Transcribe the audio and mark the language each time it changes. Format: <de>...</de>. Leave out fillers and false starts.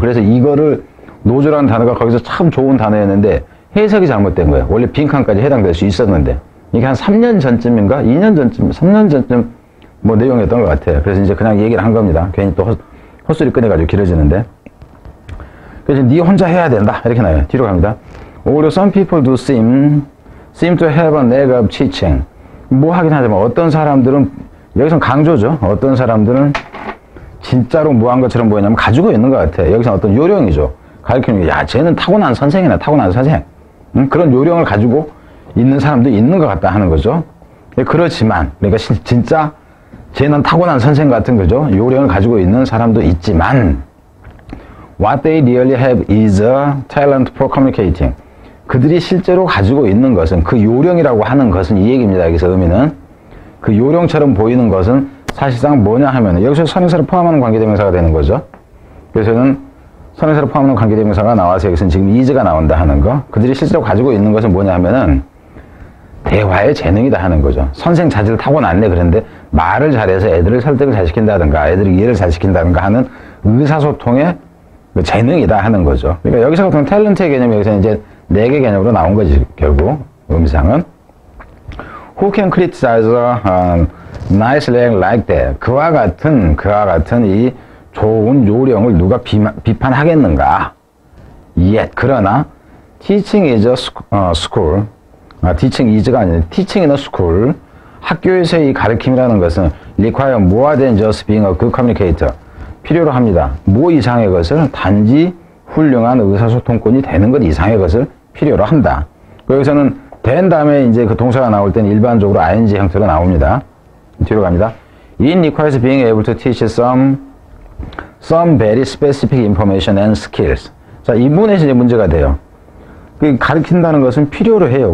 <ko>그래서 이거를 노조라는 단어가 거기서 참 좋은 단어였는데 해석이 잘못된 거예요. 원래 빈칸까지 해당될 수 있었는데 이게 한 3년 전쯤인가? 2년 전쯤, 3년 전쯤 뭐 내용이었던 것 같아요. 그래서 이제 그냥 얘기를 한 겁니다. 괜히 또 헛소리 꺼내가지고 길어지는데 그래서 네 혼자 해야 된다 이렇게 나와요. 뒤로 갑니다.</ko> <en>Although some people do seem to have a knack of teaching.</en> <ko>뭐 하긴 하지만 어떤 사람들은 여기서 강조죠. 어떤 사람들은 진짜로 무한 것처럼 보이냐면 가지고 있는 것 같아. 여기서 어떤 요령이죠. 가르치는 게, 야, 쟤는 타고난 선생이나 타고난 선생. 응? 그런 요령을 가지고 있는 사람도 있는 것 같다 하는 거죠. 그렇지만, 그러니까 진짜 쟤는 타고난 선생 같은 거죠. 요령을 가지고 있는 사람도 있지만,</ko> <en>what they really have is a talent for communicating.</en> <ko>그들이 실제로 가지고 있는 것은, 그 요령이라고 하는 것은 이 얘기입니다. 여기서 의미는. 그 요령처럼 보이는 것은 사실상 뭐냐 하면, 여기서 선행사를 포함하는 관계대명사가 되는 거죠. 그래서는 선행사를 포함하는 관계대명사가 나와서 여기서는 지금 is가 나온다 하는 거. 그들이 실제로 가지고 있는 것은 뭐냐 하면은 대화의 재능이다 하는 거죠. 선생 자질을 타고났네. 그런데 말을 잘해서 애들을 설득을 잘 시킨다든가 애들을 이해를 잘 시킨다든가 하는 의사소통의 재능이다 하는 거죠. 그러니까 여기서 같은 탤런트의 개념이 여기서 이제 네 개 개념으로 나온 거지. 결국 의미상은</ko> <en>Who can criticize a nice leg like that?</en> <ko>그와 같은 이 좋은 요령을 누가 비판하겠는가?</ko> <en>Yet,</en> <ko>그러나,</ko> <en>teaching is a school.</en> <ko>아,</ko> <en>teaching is</en> <ko>가 아니네.</ko> <en>teaching in a school.</en> <ko>학교에서 이 가르침이라는 것은</ko> <en>require more than just being a good communicator.</en> <ko>필요로 합니다. 뭐 이상의 것을 단지 훌륭한 의사소통꾼이 되는 것 이상의 것을 필요로 한다. 여기서는 된 다음에 이제 그 동사가 나올 때는 일반적으로 ing 형태로 나옵니다. 뒤로 갑니다.</ko> <en>It requires being able to teach some very specific information and skills.</en> <ko>자, 이 부분에서 이제 문제가 돼요. 그 가르친다는 것은 필요로 해요.</ko>